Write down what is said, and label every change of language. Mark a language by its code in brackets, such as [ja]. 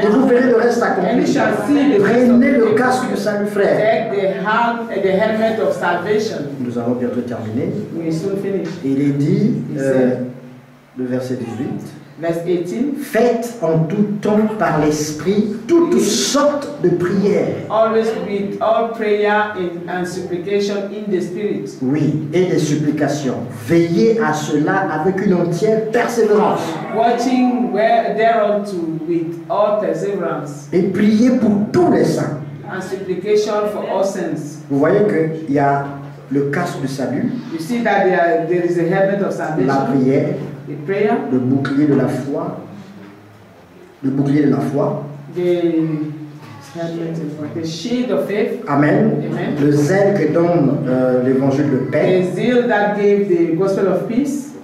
[fr] Et vous verrez le reste accompli. Prenez le casque du salut, frère. Nous allons bientôt terminer. Il est dit, le verset 18. [en] Verse 18. [fr] Faites en tout temps par l'esprit toutes sortes de prières. [en] Always with all prayer and supplication in the spirit. [fr] Oui, et des supplications. Veillez à cela avec une entière persévérance. [en] Watching thereunto with all perseverance. [fr] Et priez pour tous les saints. [en] And supplication for all saints. [fr] Vous voyez que il y a le casque du salut. [en] You see that there is a helmet of salvation. [fr] La prière. [en] The prayer. [fr] Le bouclier de la foi. Le bouclier de la foi. [en] The helmet, the shield of faith. Amen. Amen. [fr] Le zèle que donne l'évangile de paix. [en] The zeal that gave the gospel of peace.